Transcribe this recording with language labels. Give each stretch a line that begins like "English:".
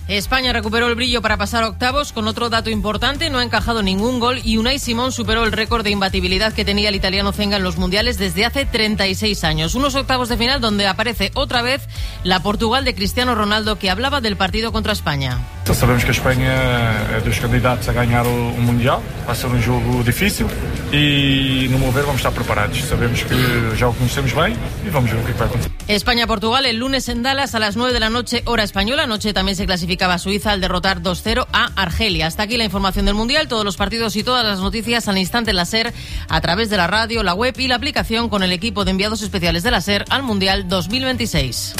Spanish: España recuperó el brillo para pasar a octavos, con otro dato importante: no ha encajado ningún gol y Unai Simón superó el récord de imbatibilidad que tenía el italiano Zenga en los mundiales desde hace 36 años. Unos octavos de final donde aparece otra vez la Portugal de Cristiano Ronaldo, que hablaba del partido contra España.
Portuguese: Sabemos que a Espanha é dos candidatos a ganhar o Mundial, vai ser um jogo difícil e, no meu ver, vamos estar preparados. Sabemos que já o conhecemos bem e vamos ver o que vai acontecer.
Spanish: España-Portugal el lunes en Dallas a las 9 de la noche, hora española. Anoche también se clasificaba Suiza al derrotar 2-0 a Argelia. Hasta aquí la información del Mundial. Todos los partidos y todas las noticias al instante en la SER, a través de la radio, la web y la aplicación, con el equipo de enviados especiales de la SER al Mundial 2026.